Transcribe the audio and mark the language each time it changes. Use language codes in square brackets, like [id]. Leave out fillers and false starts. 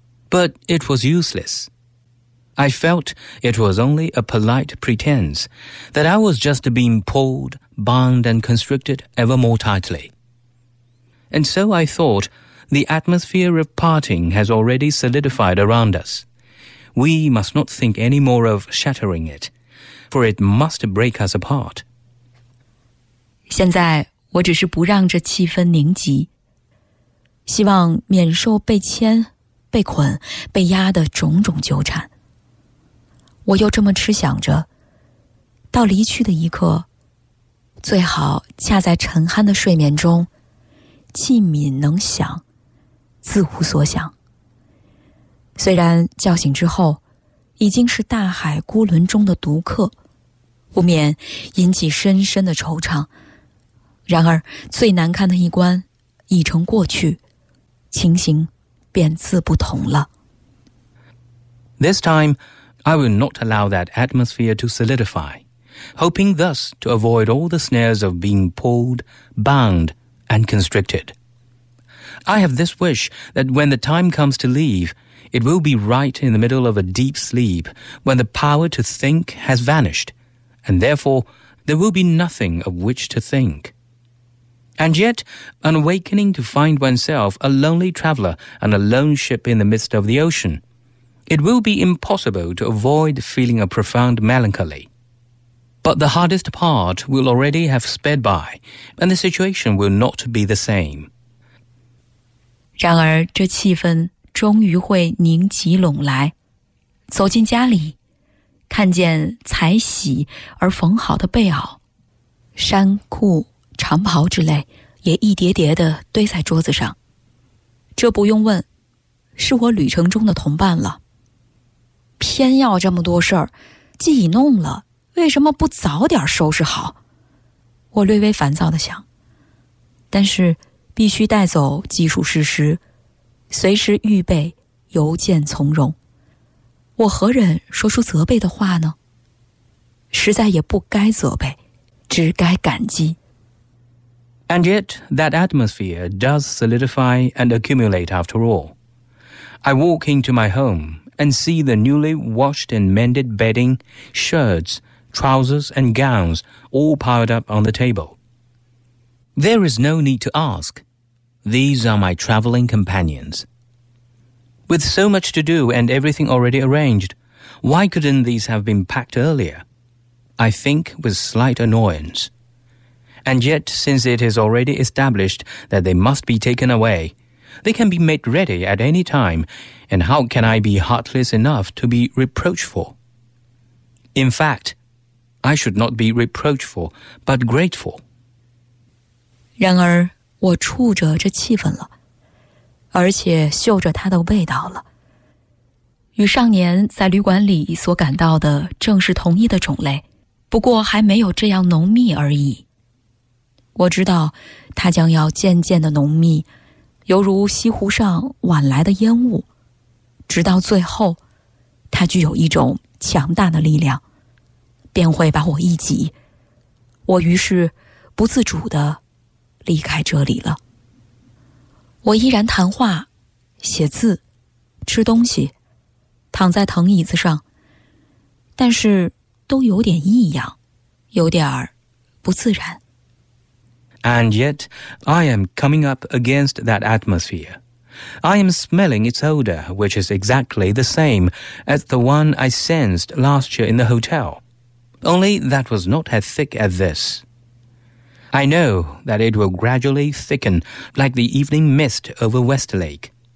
[en] But it was useless. I felt it was only a polite pretense, that I was just being pulled, bound, and constricted ever more tightly. And so I thought, the atmosphere of parting has already solidified around us. We must not think any more of shattering it, for it must break us apart. [zh] 现在我只是不让这气氛凝集，希望免受被牵、被捆、被压的种种纠缠。我又这么痴想着，到离去的一刻，最好恰在沉酣的睡眠中，气敏能想，自无所想。虽然叫醒之后，已经是大海孤轮中的独客，不免引起深深的惆怅。然而最难看的一关已成过去，情形便自不同了。 [en] This time, I will not allow that atmosphere to solidify, hoping thus to avoid all the snares of being pulled, bound, and constricted. I have this wish that when the time comes to leave, It will be right in the middle of a deep sleep when the power to think has vanished, and therefore there will be nothing of which to think. And yet, an awakening to find oneself a lonely traveller and a lone ship in the midst of the ocean, it will be impossible to avoid feeling a profound melancholy. But the hardest part will already have sped by, and the situation will not be the same. [zh] 然而这气氛终于会凝集拢来。走进家里，看见才洗而缝好的被袄、衫裤、长袍之类也一叠叠地堆在桌子上。这不用问，是我旅程中的同伴了。偏要这么多事儿，既已弄了，为什么不早点收拾好？我略微烦躁地想，但是必须带走技术事实，随时预备邮件从容。我何忍说出责备的话呢？实在也不该责备，只该感激。 [en] And yet, that atmosphere does solidify and accumulate after all. I walk into my home and see the newly washed and mended bedding, shirts, trousers and gowns all piled up on the table. There is no need to ask. These are my traveling companions. With so much to do and everything already arranged, why couldn't these have been packed earlier? I think with slight annoyance. And yet, since it is already established that they must be taken away, they can be made ready at any time, and how can I be heartless enough to be reproachful? In fact, I should not be reproachful, but grateful. [zh] 然而，我触着这气氛了，而且嗅着它的味道了。与上年在旅馆里所感到的正是同一的种类，不过还没有这样浓密而已。我知道它将要渐渐的浓密，犹如西湖上晚来的烟雾，直到最后它具有一种强大的力量，便会把我一挤，我于是不自主地离开这里了。我依然谈话、写字、吃东西、躺在藤椅子上，但是都有点异样，有点不自然。 [en] And yet, I am coming up against that atmosphere. I am smelling its odor, which is exactly the same as the one I sensed last year in the hotel. Only that was not as thick as this. I know that it will gradually thicken like the evening mist over Westlake.